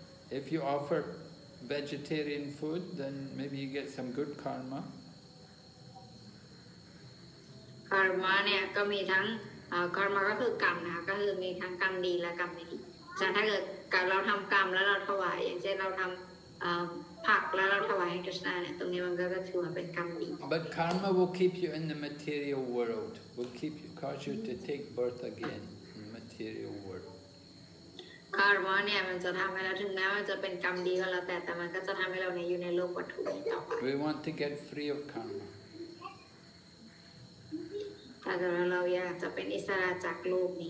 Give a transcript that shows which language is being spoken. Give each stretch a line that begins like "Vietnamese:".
English: If you offer vegetarian food, then maybe you get some good karma.
Thai: Karma เนี่ยก็มีทั้ง karma ก็คือกรรมนะคะก็คือมีทั้งกรรมดีและกรรมไม่ดีฉะนั้นถ้าเกิดการเราทำกรรมแล้วเราถวายอย่างเช่นเราทำผักแล้วเราถวายให้กษัตริย์เนี่ยตรงนี้มันก็ถือว่าเป็นกรรมดี
English: But karma will keep you in the material world. Will keep you, cause you to take birth again. Material world.
Thai: Karma, เนี่ยมันจะทำให้เราถึงแม้ว่าจะเป็นกรรมดีก็แล้วแต่มันก็จะทำให้เราเนี่ยอยู่ในโลกวัตถุนี้ต่อไป
English: We want to get free of karma.
Thai: ถ้าเกิดเราอยากจะเป็นอิสระจากโลกนี